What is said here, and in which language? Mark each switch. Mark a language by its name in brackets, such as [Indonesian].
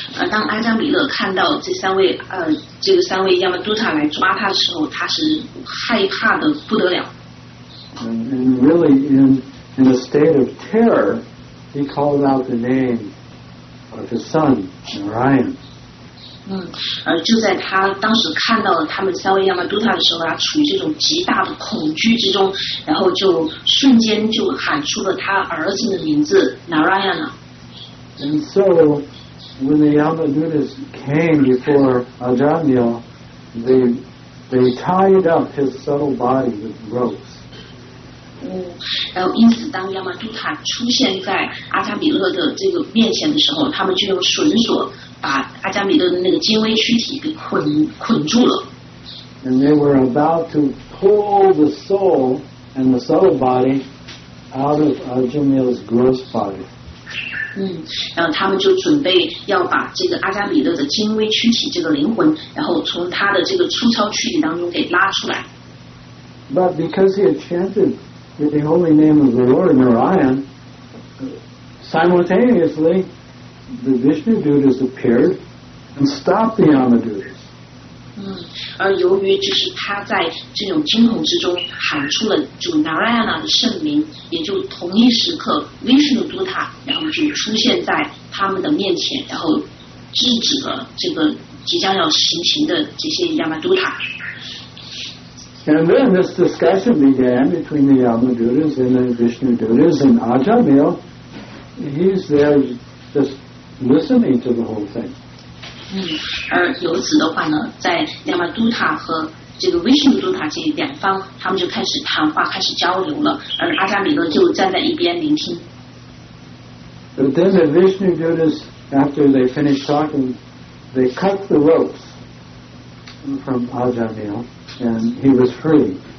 [Chinese] 当阿加米勒看到这三位 Yamaduta 来抓他的时候，他是害怕的不得了。 [English] And really, in a state of terror, he called out the name of his son, Narayan. [Chinese] 就在他当时看到了他们三位亚麻都塔的时候，他处于这种极大的恐惧之中，然后就瞬间就喊出了他儿子的名字 Narayan 了。 [English] And so when the Yamadutas came before Ajamil, they tied up his subtle body with ropes. [Chinese] 然后因此当亚麻都塔出现在阿加米勒的这个面前的时候，他们就用绳索。把阿加米勒的那个精微躯体给捆住了。 [English] And they were about to pull the soul and the subtle body out of Ajamil's gross body. [Chinese] 然后他们就准备要把这个阿加米勒的精微躯体这个灵魂，然后从他的这个粗糙躯体当中给拉出来。 [English] But because he had chanted with the holy name of the Lord Narayan, simultaneously. The Vishnu Dutas appeared and stopped the Yamadutas. [Chinese] 而由于就是他在这种惊恐之中喊出了主 Narayana 的圣名，也就同一时刻 Vishnu Dutta 然后就出现在他们的面前，然后制止了这个即将要行刑的这些 Yamadutta. [English] And then this discussion began between the Yamadutas and the Vishnu Dutas, and Ajamil, he's there just. Listening to the whole thing. [Chinese] 而由此的话呢，在亚麻都塔和这个维辛都塔这两方，他们就开始谈话，开始交流了。而阿加米勒就站在一边聆听。 [English] But then the Vishnu Dutas, after they finished talking, they cut the ropes from Ajamil, and he was free.